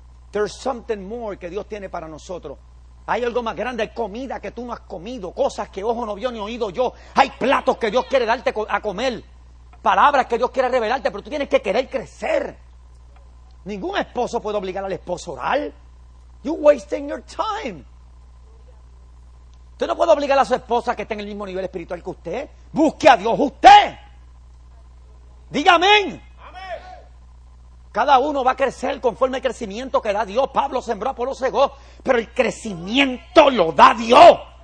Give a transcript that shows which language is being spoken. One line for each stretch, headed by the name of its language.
English: There's something more
Spanish: que Dios tiene para nosotros. Hay algo más grande, hay comida que tú no has comido, cosas que ojo no vio ni oído yo. Hay platos que Dios quiere darte a comer, palabras que Dios quiere revelarte, pero tú tienes que querer crecer. Ningún esposo puede obligar al esposo a orar.
English: You're wasting your time.
Spanish: Usted no puede obligar a su esposa que esté en el mismo nivel espiritual que usted. Busque a Dios usted. Diga amén. Cada uno va a crecer conforme el crecimiento que da Dios. Pablo sembró, Apolo segó, pero el crecimiento lo da Dios.